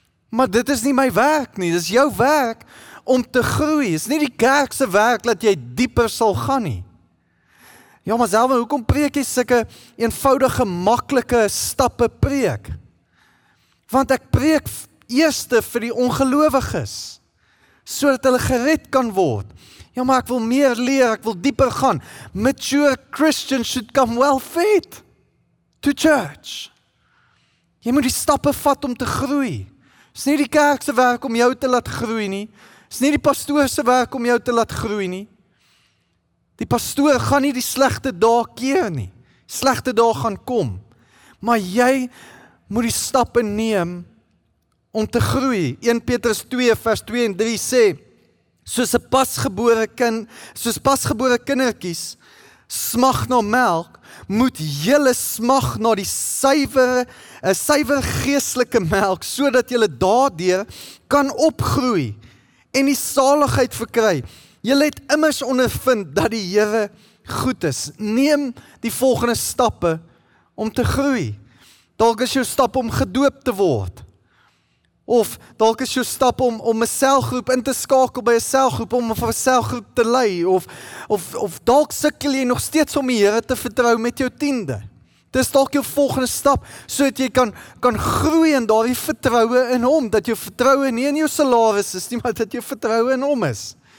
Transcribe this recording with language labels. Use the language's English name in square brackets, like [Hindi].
[Afrikaans] Maar dit is nie my werk nie, dit is jou werk om te groei. Dit is nie die kerk se werk dat jy dieper sal gaan nie. Ja, maar selwe, hoekom preek jy sulke eenvoudige, maklike stappe preek? Want ek preek eerste vir die ongelowiges. So dat hulle gered kan word. Ja, maar ek wil meer leer, ek wil dieper gaan. [English] Mature Christians should come well fed to church. [Afrikaans] Jy moet die stappe vat om te groei. Is nie die kerk se werk om jou te laat groei nie. Is nie die pastoor se werk om jou te laat groei nie. Die pastoor gaan nie die slegte dae keer nie. Slegte dae gaan kom. Maar jy moet die stappe neem om te groei. 1 Petrus 2 vers 2 en 3 sê, soos pasgebore kindertjies, smag na melk, moet julle smag na die suiwer geestelike melk, sodat julle daardeur kan opgroei, en die saligheid verkry. Julle het immers ondervind, dat die Here goed is. Neem die volgende stappe, om te groei. Dalk is jou stap om gedoop te word, of dalk is jou stap om 'n selgroep in te skakel by 'n selgroep, om 'n selgroep te lei, of dalk sukkel jy nog steeds om die Here te vertrou met jou tiende. Dis dalk jou volgende stap, so dat jy kan groei in daardie vertroue in hom, dat jou vertroue nie in jou salaris is nie, maar dat jou vertroue in hom is.